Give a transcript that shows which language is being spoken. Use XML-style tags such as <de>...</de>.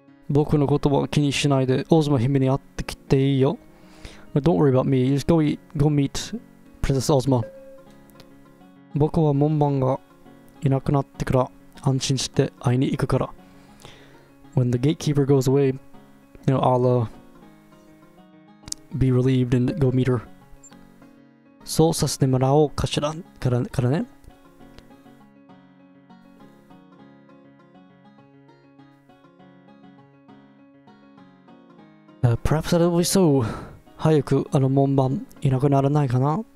<ja>僕のことは気にしないで、オズマ姫に会ってきていいよ。</ja> <en>Don't worry about me. You just go meet Princess Ozma.</en> <ja>僕は門番がいなくなってから安心して会いに行くから。</ja> <en>When the gatekeeper goes away, you know, I'll be relieved and go meet her.</en> <ja>そうさせてもらおうかしら、からね。</ja> <en>Perhaps that'll be so.</en> <ja>早くあの門番いなくならないかな。</ja>